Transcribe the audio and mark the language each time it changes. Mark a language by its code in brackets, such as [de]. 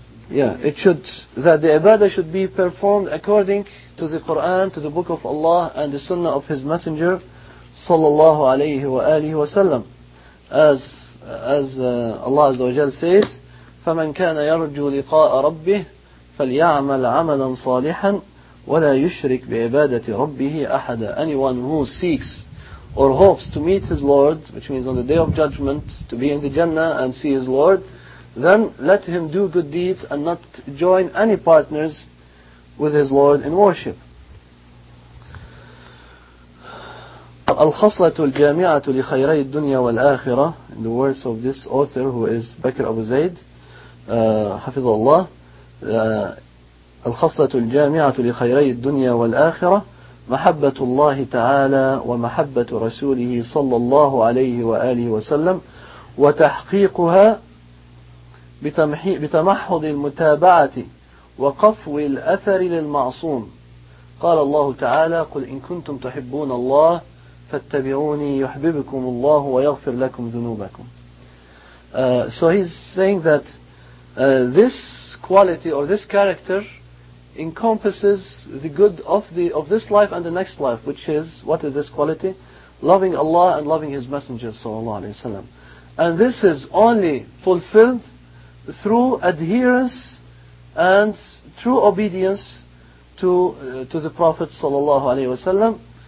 [en] Yeah, it should, that the ibadah should be performed according to the Quran, to the Book of Allah, and the Sunnah of His Messenger sallallahu alayhi wa alihi wa sallam, as Allah Azza wa Jal says, [ar] فَمَنْ كَانَ يَرْجُو لِقَاءَ رَبِّهِ فَلْيَعْمَلْ عَمَلًا صَالِحًا وَلَا يُشْرِكْ بِعِبَادَةِ رَبِّهِ أَحَدًا. [en] Anyone who seeks or hopes to meet his Lord, which means on the Day of Judgment, to be in the Jannah and see his Lord, then let him do good deeds and not join any partners with his Lord in worship. [ar] الخصلة الجامعة لخيري الدنيا والآخرة, [en] in the words of this author who is Bakr Abu Zayd, [ar] حفظ الله, الخصلة الجامعة لخيري الدنيا والآخرة محبة الله تعالى ومحبة رسوله صلى الله عليه وآله وسلم وتحقيقها بتمحض المتابعة وقفو الأثر للمعصوم. قال الله تعالى قل إن كنتم تحبون الله فَاتَّبِعُونِي يُحْبِبِكُمُ اللَّهُ وَيَغْفِرْ لَكُمْ ذُنُوبَكُمْ. [en] So he's saying that this quality or this character encompasses the good of this life and the next life, which is, what is this quality? loving Allah and loving His Messenger sallallahu alayhi wa sallam. And this is only fulfilled through adherence and true obedience to the Prophet sallallahu alayhi wa sallam.